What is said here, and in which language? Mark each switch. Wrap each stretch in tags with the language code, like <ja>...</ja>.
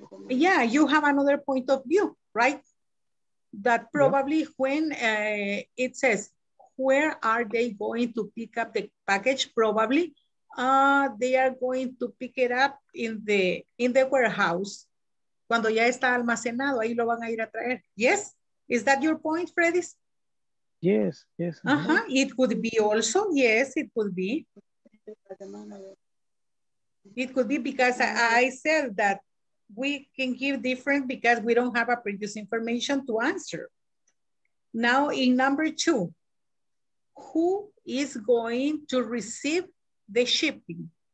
<en>Yeah, you have another point of view, right? That probably when it says, where are they going to pick up the package? Probably they are going to pick it up in the warehouse.</en> <es>Cuando ya está almacenado, ahí lo van a ir a traer.</es> <en>Yes, is that your point, Freddy's? Yes, yes. It could be also, yes, it could be. It could be, because I said that we can give different, because we don't have a previous information to answer. Now in number two, who is going to receive the shipping?</en>